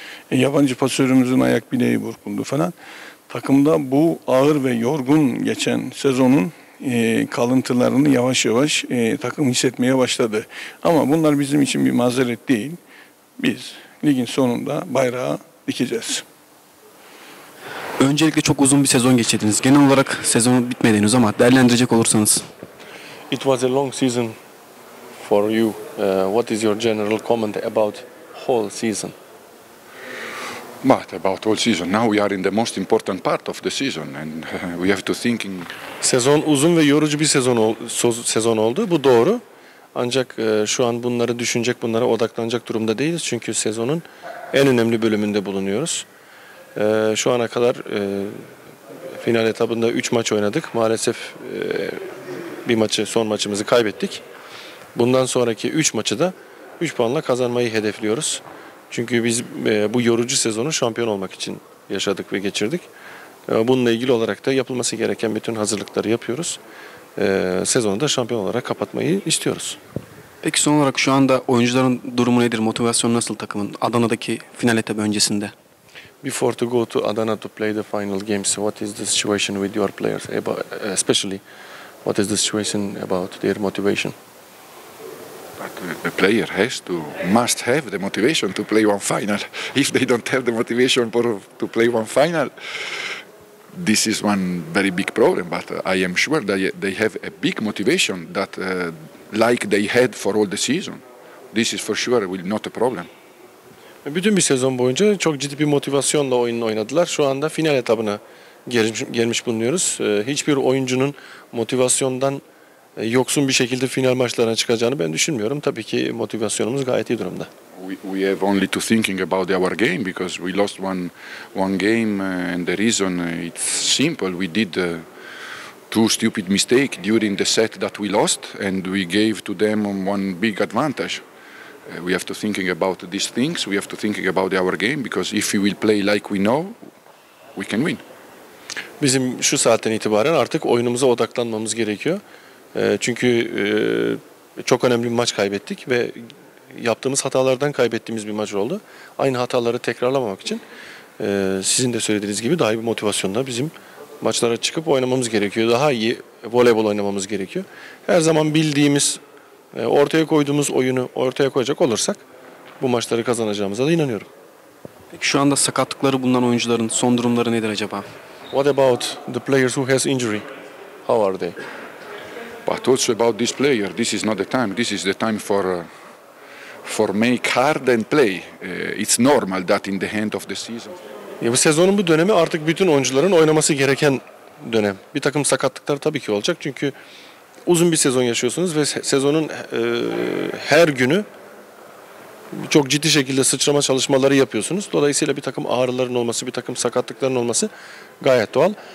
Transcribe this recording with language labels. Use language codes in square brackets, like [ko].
[tr] Yabancı pasörümüzün ayak bileği burkuldu falan. Takımda bu ağır ve yorgun geçen sezonun kalıntılarını yavaş yavaş takım hissetmeye başladı. Ama bunlar bizim için bir mazeret değil. Biz ligin sonunda bayrağı dikeceğiz. Öncelikle çok uzun bir sezon geçirdiniz. Genel olarak sezonu bitmediniz ama değerlendirecek olursanız. [en] It was a long season for you. What is your general comment about whole season? But about whole season. Now we are in the most important part of the season and we have to think. [tr] Sezon uzun ve yorucu bir sezon oldu. Bu doğru. Ancak şu an bunları düşünecek, bunlara odaklanacak durumda değiliz. Çünkü sezonun en önemli bölümünde bulunuyoruz. Şu ana kadar final etabında 3 maç oynadık. Maalesef bir maçı, son maçımızı kaybettik. Bundan sonraki 3 maçı da 3 puanla kazanmayı hedefliyoruz. Çünkü biz bu yorucu sezonu şampiyon olmak için yaşadık ve geçirdik. Bununla ilgili olarak da yapılması gereken bütün hazırlıkları yapıyoruz. Sezonu da şampiyon olarak kapatmayı istiyoruz. Peki son olarak şu anda oyuncuların durumu nedir? Motivasyon nasıl takımın? Adana'daki final etabı öncesinde. [en] Before to go to Adana to play the final games, what is the situation with your players? Especially, what is the situation about their motivation? But the player must have the motivation to play one final. If they don't have the motivation to play one final, this is one very big problem, but I am sure that they have a big motivation that like they had for all the season. This is for sure will not a problem. [tr] Bütün bir sezon boyunca çok ciddi bir motivasyonla oyunu oynadılar. Şu anda final etabına gelmiş bulunuyoruz. Hiçbir oyuncunun motivasyondan yoksun bir şekilde final maçlarına çıkacağını ben düşünmüyorum. Tabii ki motivasyonumuz gayet iyi durumda. [en] We have only to thinking about our game because we lost one game and the reason it's simple. We did two stupid mistakes during the set that we lost and we gave to them one big advantage. We have to thinking about these things. We have to thinking about our game because if we will play like we know, we can win. [tr] Bizim şu saatten itibaren artık oyunumuza odaklanmamız gerekiyor. Çünkü çok önemli bir maç kaybettik ve yaptığımız hatalardan kaybettiğimiz bir maç oldu. Aynı hataları tekrarlamamak için sizin de söylediğiniz gibi daha iyi bir motivasyonla bizim maçlara çıkıp oynamamız gerekiyor. Daha iyi voleybol oynamamız gerekiyor. Her zaman bildiğimiz, ortaya koyduğumuz oyunu ortaya koyacak olursak bu maçları kazanacağımıza da inanıyorum. Peki şu anda sakatlıkları bulunan oyuncuların son durumları nedir acaba? [en] What about the players who has injury? How are they? But also about this player, this is not the time. This is the time for make hard and play. It's normal that in the end of the season. [tr] Ya bu sezonun bu dönemi artık bütün oyuncuların oynaması gereken dönem. Bir takım sakatlıklar tabii ki olacak çünkü uzun bir sezon yaşıyorsunuz ve sezonun her günü çok ciddi şekilde sıçrama çalışmaları yapıyorsunuz. Dolayısıyla bir takım ağrıların olması, bir takım sakatlıkların olması gayet doğal.